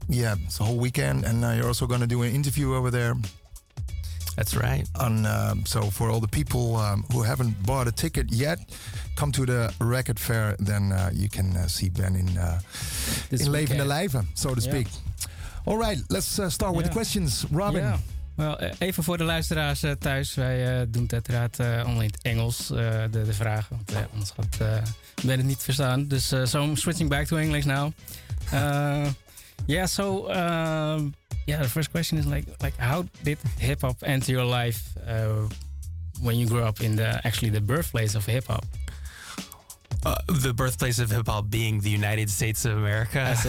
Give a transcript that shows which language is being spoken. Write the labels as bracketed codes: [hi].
[en] Yeah, it's a whole weekend, and you're also going to do an interview over there. That's right. On so for all the people who haven't bought a ticket yet, come to the record fair, then you can see Ben [nl] in Leven de Lijven, [en] so to speak. Yeah. All right, let's start with the questions. Robin. Yeah. [nl] Wel, even voor de luisteraars thuis, wij doen het uiteraard online in het Engels, de vragen, want anders had ben het niet verstaan. [en] Dus so I'm switching back to English now. The first question is like how did hip-hop enter your life when you grew up in the birthplace of hip-hop? The birthplace of hip-hop being the United States of America?